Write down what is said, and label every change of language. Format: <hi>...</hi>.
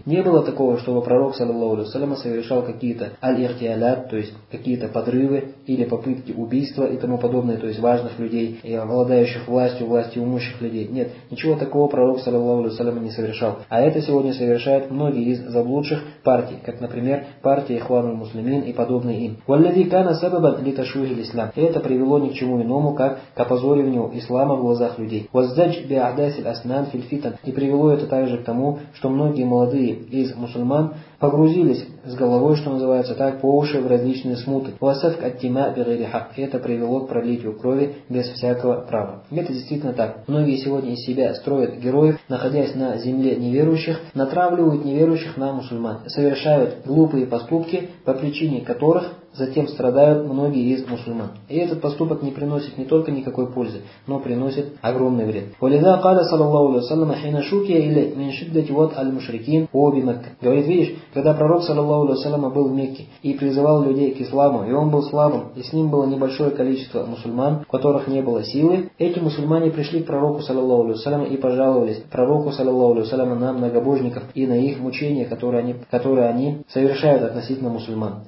<ru>Не было такого, чтобы пророк, саллиллаху алейхи ва саллям, совершал какие-то аль-ихтиалят, то есть какие-то подрывы или попытки убийства и тому подобное, то есть важных людей, и обладающих властью, властью имущих людей. Нет, ничего такого пророк, саллиллаху алейхи ва саллям, не совершал. А это сегодня совершают многие из заблудших партий, как, например, партия Ихвану Муслимин и подобные им.</ru> <ar>والذي كان سببا لتشويه الاسلام.</ar> <ru>Это привело ни к чему иному, как к опозорению ислама в глазах людей.</ru> <ar>والزج بأحداث الأسنان في الفتن.</ar> <ru>И привело это также к тому, что многие молодые из мусульман погрузились с головой, что называется так, по уши в различные смуты.</ru> <ar>وسفك الدماء بغير حق.</ar> <ru>Это привело к пролитию крови без всякого права. Это действительно так. Многие сегодня из себя строят героев, находясь на земле неверующих, натравливают неверующих на мусульман, совершают глупые поступки, по причине которых затем страдают многие из мусульман. И этот поступок не приносит не только никакой пользы, но приносит огромный вред.</ru> <ar>ولذا قال صلى الله عليه وسلم حين شكي إلى من شدة وضع المشركين في مكة.</ar> <ru>Говорит, видишь, когда пророк саллаллаху алейхи ва саллям был в Мекке и призывал людей к исламу, и он был слабым, и с ним было небольшое количество мусульман, у которых не было силы, эти мусульмане пришли к пророку саллаллаху алейхи ва саллям и пожаловались пророку саллаллаху алейхи ва саллям на многобожников и на их мучения, которые они совершают относительно мусульман.</ru>